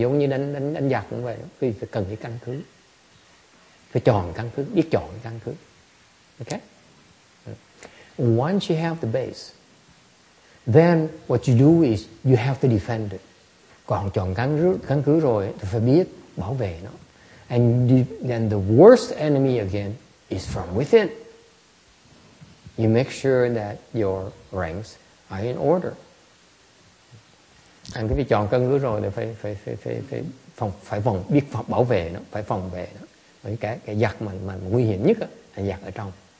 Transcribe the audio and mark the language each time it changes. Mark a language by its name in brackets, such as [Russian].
[Vietnamese] Giống như đánh giặc cũng vậy, vì phải cần cái căn cứ, phải chọn căn cứ, biết chọn căn cứ. Okay. [English] Once you have the base, Then what you do is you have to defend it. [Vietnamese] Còn chọn căn cứ rồi thì phải biết bảo vệ nó. [English] And then the worst enemy again is from within. You make sure that your ranks are in order. [Vietnamese] Anh cứ phải chọn căn cứ rồi thì phải phòng biết bảo vệ nó, phải phòng vệ nó. Với cái giặc mà nguy hiểm nhất là giặc ở trong.